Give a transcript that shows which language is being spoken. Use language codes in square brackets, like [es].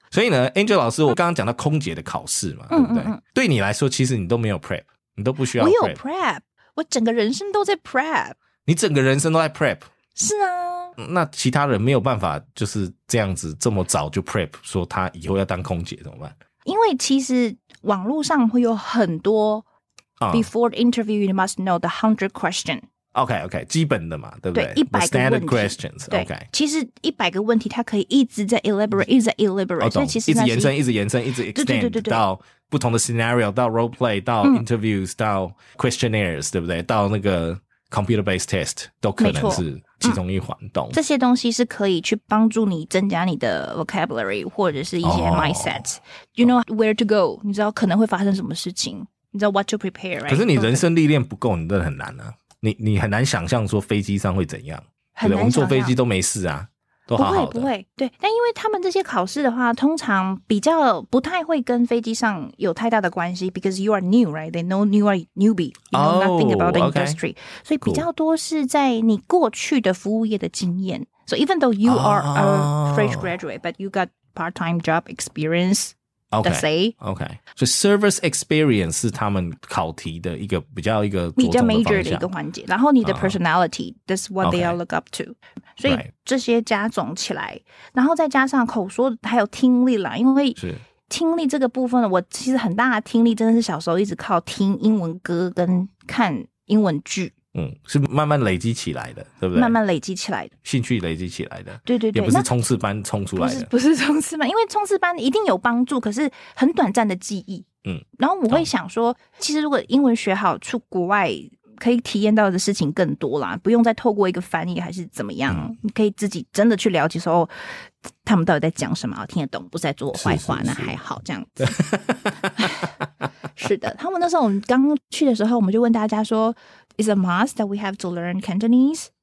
[zh] 所以呢 ，Angel 老师，我刚刚讲到空姐的考试嘛，对不对？对你来说，其实你都没有 prep， 你都不需要 prep。我有 prep， 我整个人生都在 prep。你整个人生都在 prep？是啊。那其他人没有办法就是这样子这么早就 prep， 说他以后要当空姐怎么办？因为其实网络上会有很多。 [en] Before the interview, you must know the 100 question. Okay, okay. [zh] 基本的嘛，对不对？对，一百个问题。 [en] Standard questions. Okay. [zh] 其实一百个问题，它可以一直在 elaborate， 一直在 elaborate、哦。懂。其实一直延伸，一直延伸，一直 extend 到不同的 scenario， 到 role play， 到 interviews，、到 questionnaires， 对不对？到那个 computer based test 都可能是其中一环、懂。这些东西是可以去帮助你增加你的 vocabulary 或者是一些 mindset、哦。 [en] You know where to go？、 [zh] 哦、你知道可能会发生什么事情？你知道 [en] what to prepare, right? [zh] 可是你人生历练不够，你真的很难啊！你很难想象说飞机上会怎样，对，我们坐飞机都没事啊，都好好的。不会，不会，对。但因为他们这些考试的话，通常比较不太会跟飞机上有太大的关系 ， [en] because you are new, right? They know you are newbie, you know nothing about the industry.、 Oh, okay. [zh] 所以比较多是在你过去的服务业的经验。 [en] So even though you are a fresh graduate, but you got part-time job experience. Okay. So service experience [zh] 是他们考题的一个比较一个比较 major 的一个环节，然后你的 personality、 [en] that's what、they all look up to. [zh] 所以这些加总起来，然后再加上口说还有听力啦，因为听力这个部分，我其实很大的听力真的是小时候一直靠听英文歌跟看英文剧。嗯，是慢慢累积起来的，对不对？慢慢累积起来的，兴趣累积起来的，对对对，也不是冲刺班冲出来的，不是冲刺班，因为冲刺班一定有帮助，可是很短暂的记忆。嗯，然后我会想说，其实如果英文学好，出国外可以体验到的事情更多啦，不用再透过一个翻译还是怎么样，你可以自己真的去了解说，哦，他们到底在讲什么，听得懂，不再做坏话，是是是，那还好这样子。是的，他们那时候我们刚去的时候，我们就问大家说。 [en] Is a must that we have to learn Cantonese?